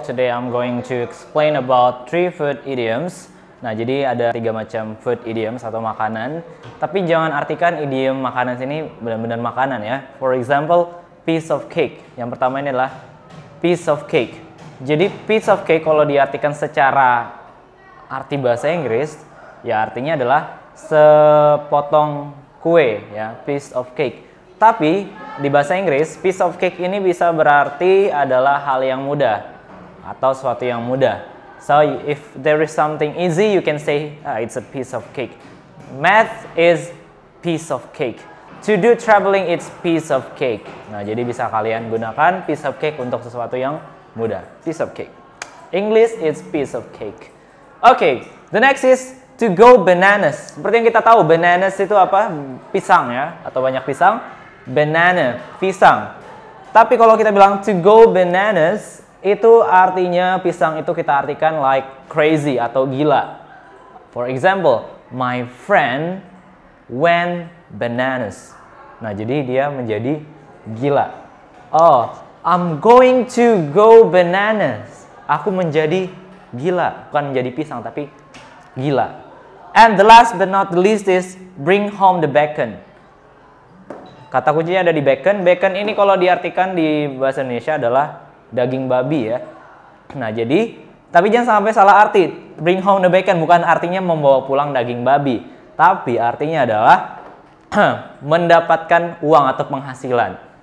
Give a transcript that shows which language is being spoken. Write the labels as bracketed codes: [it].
[en] Today I'm going to explain about three food idioms. [id] Nah, jadi ada tiga macam food idioms atau makanan. Tapi jangan artikan idiom makanan sini benar-benar makanan ya. [en] For example, piece of cake. [id] Yang pertama ini adalah piece of cake. Jadi piece of cake kalau diartikan secara arti bahasa Inggris, ya artinya adalah sepotong kue ya, piece of cake. Tapi di bahasa Inggris, piece of cake ini bisa berarti adalah hal yang mudah atau sesuatu yang mudah. [en] So if there is something easy, you can say it's a piece of cake. Math is piece of cake. To do traveling, it's piece of cake. [id] Nah, jadi bisa kalian gunakan piece of cake untuk sesuatu yang mudah. [en] Piece of cake. English is piece of cake. Okay, the next is to go bananas. [id] Seperti yang kita tahu, bananas itu apa? Pisang ya, atau banyak pisang. Banana, pisang. Tapi kalau kita bilang to go bananas, itu artinya pisang itu kita artikan [en] like crazy [id] atau gila. [en] For example, my friend went bananas. [id] Nah, jadi dia menjadi gila. [en] Oh, I'm going to go bananas. [id] Aku menjadi gila. Bukan menjadi pisang, tapi gila. [en] And the last but not the least is bring home the bacon. [id] Kata kuncinya ada di bacon. Bacon ini kalau diartikan di bahasa Indonesia adalah daging babi ya. Nah, jadi tapi jangan sampai salah arti. Bring home the bacon bukan artinya membawa pulang daging babi, tapi artinya adalah mendapatkan uang atau penghasilan.